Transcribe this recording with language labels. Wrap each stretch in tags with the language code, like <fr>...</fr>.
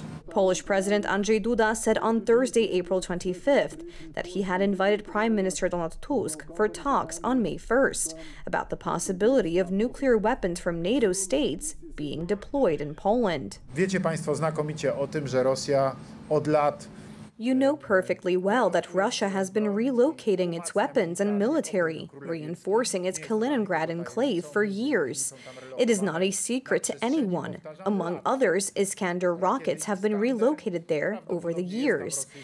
<en>Polish President Andrzej Duda said on Thursday, April 25th, that he had invited Prime Minister Donald Tusk for talks on May 1st about the possibility of nuclear weapons from NATO states being deployed in Poland.</en> <pl>Wiecie państwo znakomicie o tym, że Rosja od lat</pl> <en>You know perfectly well that Russia has been relocating its weapons and military, reinforcing its Kaliningrad enclave for years. It is not a secret to anyone. Among others, Iskander rockets have been relocated there over the years.</en>